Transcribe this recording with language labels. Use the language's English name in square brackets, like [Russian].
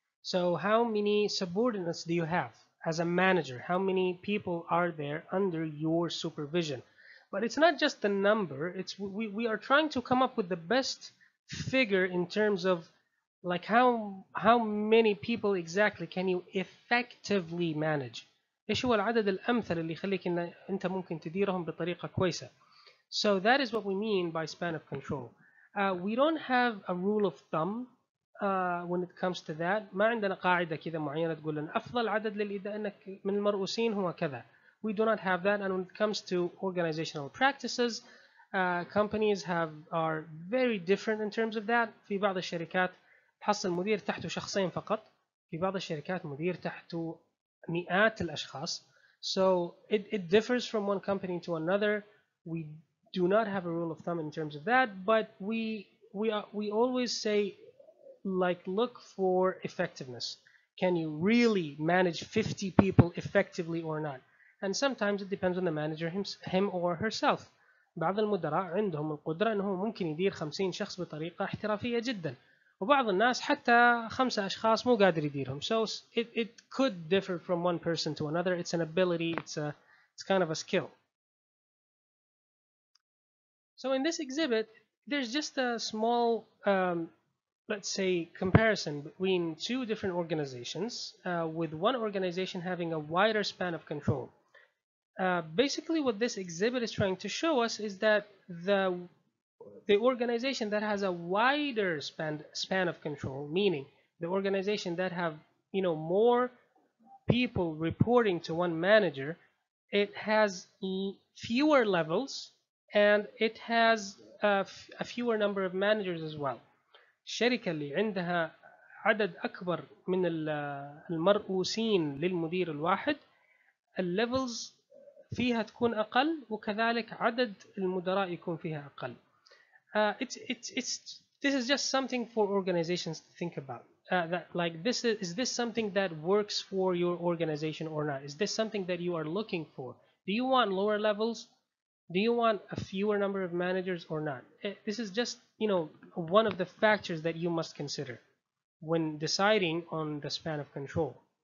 [English] So how many subordinates do you have? As a manager, how many people are there under your supervision? But it's not just the number, it's we are trying to come up with the best figure in terms of like how many people exactly can you effectively manage. [Arabic] ايش هو العدد الامثل اللي يخليك ان انت ممكن تديرهم بطريقه كويسه. [English] So that is what we mean by span of control. We don't have a rule of thumb when it comes to that. [Arabic] ما عندنا قاعدة كذا معينة تقول لنا أفضل عدد للإداء أنك من المرؤوسين هو كذا. [English] We do not have that. And when it comes to organizational practices, companies are very different in terms of that. [Arabic] في بعض الشركات تحصل مدير تحته شخصين فقط. في بعض الشركات مدير تحته مئات الأشخاص. [English] So it differs from one company to another. We do not have a rule of thumb in terms of that, but we always say, like, look for effectiveness. Can you really manage 50 people effectively or not? And sometimes it depends on the manager him or herself. [Arabic] بعض المدراء عندهم القدرة انهم ممكن يدير 50 شخص بطريقة احترافية جدا. وبعض الناس حتى 5 أشخاص مو قادر يديرهم. [English] So it could differ from one person to another. It's an ability, it's kind of a skill. So in this exhibit, there's just a small, let's say, comparison between two different organizations, with one organization having a wider span of control. Basically, what this exhibit is trying to show us is that the organization that has a wider span of control, meaning the organization that have, you know, more people reporting to one manager, it has fewer levels and it has a fewer number of managers as well. [Arabic] الشركة اللي عندها عدد أكبر من المرؤوسين للمدير الواحد, levels فيها تكون أقل وكذلك عدد المدراء يكون فيها أقل. [English] This is just something for organizations to think about. Is this something that works for your organization or not? Is this something that you are looking for? Do you want lower levels? Do you want a fewer number of managers or not? This is just, you know, one of the factors that you must consider when deciding on the span of control.